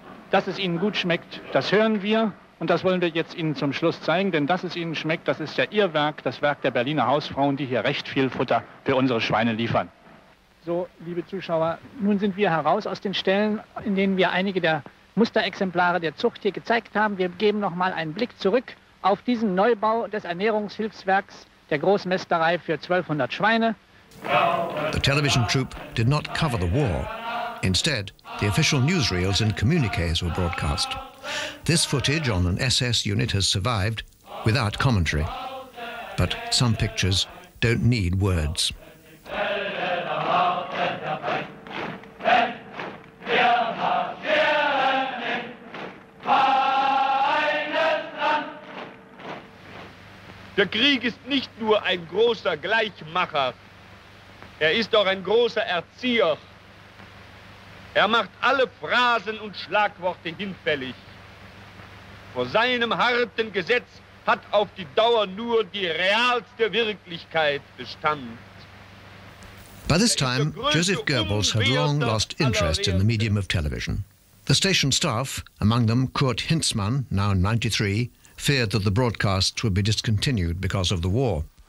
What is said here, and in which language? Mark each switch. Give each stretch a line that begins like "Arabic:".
German: Dass es ihnen gut schmeckt, das hören wir. Und das wollen wir jetzt Ihnen zum Schluss zeigen, denn dass es Ihnen schmeckt, das ist ja Ihr Werk, das Werk der Berliner Hausfrauen, die hier recht viel Futter für unsere Schweine liefern. So, liebe Zuschauer, nun sind wir heraus aus den Ställen, in denen wir einige der Musterexemplare der Zucht hier gezeigt haben. Wir geben noch mal einen Blick zurück auf diesen Neubau des Ernährungshilfswerks der Großmesterei für 1200 Schweine.
English: The television troupe did not cover the war. Instead, the official newsreels and communiques were broadcast. This footage on an SS unit has survived without commentary. But some pictures don't need words.
German: Der Krieg ist nicht nur ein großer Gleichmacher. Er ist auch ein großer Erzieher. Er macht alle Phrasen und Schlagworte hinfällig. Vor seinem harten Gesetz hat auf die Dauer nur die realste Wirklichkeit Bestand.
English: By this time, Joseph Goebbels had long lost interest in the medium of television. The station staff, among them Kurt Hintzmann, now 93, feared that the broadcasts would be discontinued because of the war.